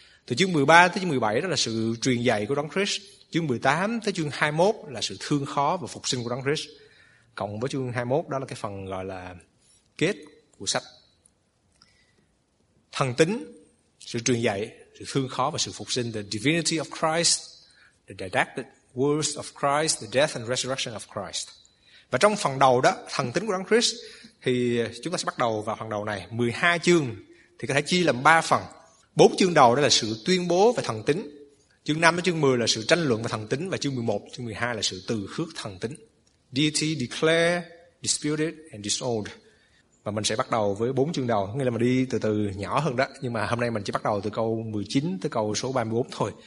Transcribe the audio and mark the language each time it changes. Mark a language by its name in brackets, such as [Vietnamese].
[Vietnamese] Từ chương 13 tới chương 17 đó là sự truyền dạy của Đấng Christ. Chương 18 tới chương 21 là sự thương khó và phục sinh của Đấng Christ. Cộng với chương 21 đó là cái phần gọi là kết của sách. Thần tính, sự truyền dạy, sự thương khó và sự phục sinh. [English] The divinity of Christ, the didactic words of Christ, the death and resurrection of Christ. [Vietnamese] Và trong phần đầu đó, thần tính của Đấng Christ, thì chúng ta sẽ bắt đầu vào phần đầu này, 12 chương, thì có thể chia làm 3 phần. 4 chương đầu đó là sự tuyên bố về thần tính, chương 5 đến chương 10 là sự tranh luận về thần tính, và chương 11, chương 12 là sự từ khước thần tính. [English] Deity declared, disputed and disowned. [Vietnamese] Và mình sẽ bắt đầu với 4 chương đầu, nghĩa là mình đi từ từ nhỏ hơn đó, nhưng mà hôm nay mình chỉ bắt đầu từ câu 19 tới câu số 34 thôi.